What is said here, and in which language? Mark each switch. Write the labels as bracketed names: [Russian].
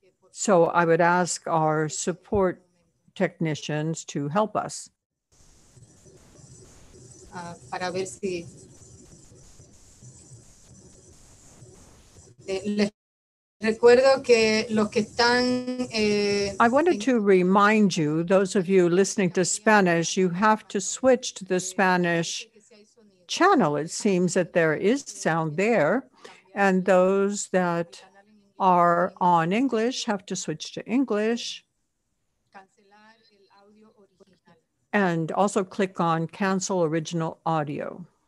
[English] So I would ask our support technicians to help us. [Spanish] Para ver si les recuerdo que los que están [English] I wanted to remind you, those of you listening to Spanish, you have to switch to the Spanish channel. It seems that there is sound there, and those that are on English have to switch to English and also click on cancel original audio.